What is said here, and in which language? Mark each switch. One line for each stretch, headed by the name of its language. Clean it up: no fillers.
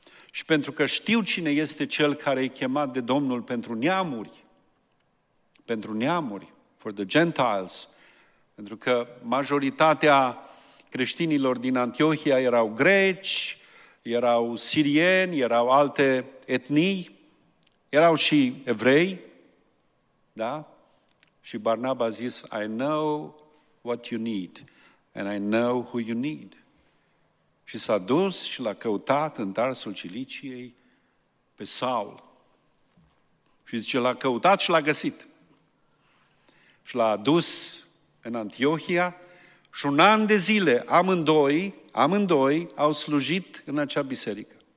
Romanian: și pentru că știu cine este cel care e chemat de Domnul pentru neamuri, pentru neamuri,
English: for the Gentiles,
Romanian: pentru că majoritatea creștinilor din Antiohia erau greci, erau sirieni, erau alte etnii, erau și evrei, da? Și Barnaba a zis:
English: I know what you need and I know who you need.
Romanian: Și s-a dus și l-a căutat în Tarsul Ciliciei pe Saul. Și zice, l-a căutat și l-a găsit. Și l-a adus în Antiohia și un an de zile amândoi au slujit în acea biserică.